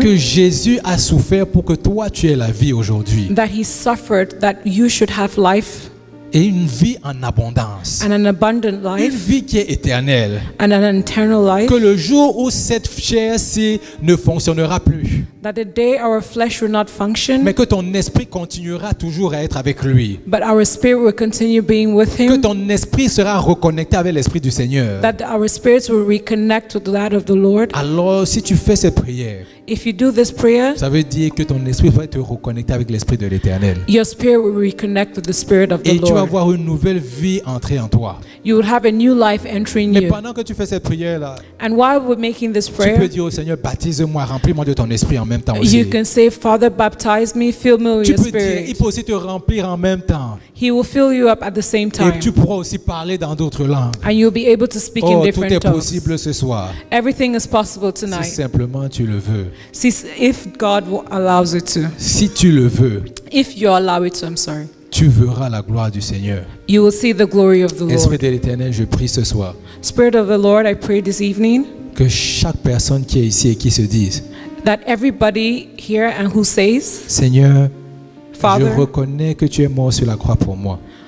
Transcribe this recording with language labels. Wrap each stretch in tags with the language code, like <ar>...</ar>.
<fr>Que Jésus a souffert pour que toi tu aies la vie aujourd'hui.</fr> <en>That he suffered that you should have life.</en> <fr>Et une vie en abondance.</fr> <en>And an abundant life.</en> <fr>Une vie qui est éternelle.</fr> <en>And an eternal life.</en> <fr>Que le jour où cette chair-ci ne fonctionnera plus.</fr> <en>That the day our flesh will not function.</en> <fr>Mais que ton esprit continuera toujours à être avec lui.</fr> <en>But our spirit will continue being with him.</en> <fr>Que ton esprit sera reconnecté avec l'esprit du Seigneur.</fr> <en>That our spirits will reconnect with that of the Lord.</en> <fr>Alors, si tu fais cette prière.</fr> <en>If you do this prayer,</en> <fr>ça veut dire que ton esprit va te reconnecter avec l'esprit de l'Éternel.</fr> <en>Your spirit will reconnect with the spirit of the Lord.</en> <fr>Et tu vas voir une nouvelle vie entrer en toi.</fr> <en>You will have a new life entering you.</en> <fr>Mais pendant que tu fais cette prière là,</fr> <en>and while we're making this prayer,</en> <fr>tu peux dire au Seigneur, baptise-moi, remplis-moi de ton esprit en même temps aussi.</fr> <en>You can say, Father, baptize me, fill me with your spirit.</en> <fr>Tu peux dire, il peut aussi te remplir en même temps.</fr> <en>He will fill you up at the same time.</en> <fr>Et tu pourras aussi parler dans d'autres langues.</fr> <en>And you'll be able to speak oh, in different tongues.</en> <fr>Tout est possible ce soir.</fr> <en>Everything is possible tonight.</en> <fr>Si simplement tu le veux.</fr> <en>If God allows it to.</en> <fr>Si tu le veux.</fr> <en>If you allow it to, I'm sorry.</en> <fr>Tu verras la gloire du Seigneur.</fr> <en>You will see the glory of the Lord.</en> <fr>Esprit de l'Éternel, je prie ce soir.</fr> <en>Spirit of the Lord, I pray this evening.</en> <fr>Que chaque personne qui est ici et qui se dise.</fr> <en>That everybody here and who says.</en> <fr>Seigneur,</fr> <en>Father,</en> <fr>je reconnais que tu es mort sur la croix pour moi.</fr>